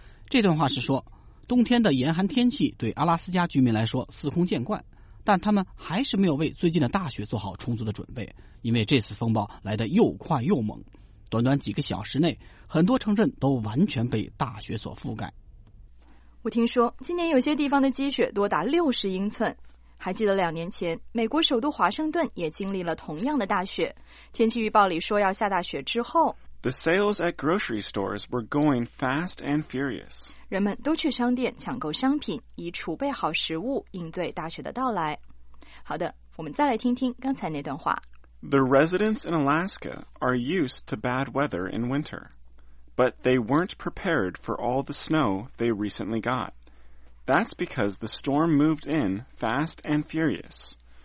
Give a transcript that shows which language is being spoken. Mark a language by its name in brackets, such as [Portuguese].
[Chinese] 这段话是说，冬天的严寒天气对阿拉斯加居民来说司空见惯，但他们还是没有为最近的大雪做好充足的准备，因为这次风暴来得又快又猛，短短几个小时内，很多城镇都完全被大雪所覆盖。我听说今年有些地方的积雪多达60英寸，还记得两年前美国首都华盛顿也经历了同样的大雪，天气预报里说要下大雪之后， [English] The sales at grocery stores were going fast and furious. [Chinese] 人们都去商店抢购商品，以储备好食物应对大雪的到来。好的，我们再来听听刚才那段话。 [English] The residents in Alaska are used to bad weather in winter, but they weren't prepared for all the snow they recently got. That's because the storm moved in fast and furious.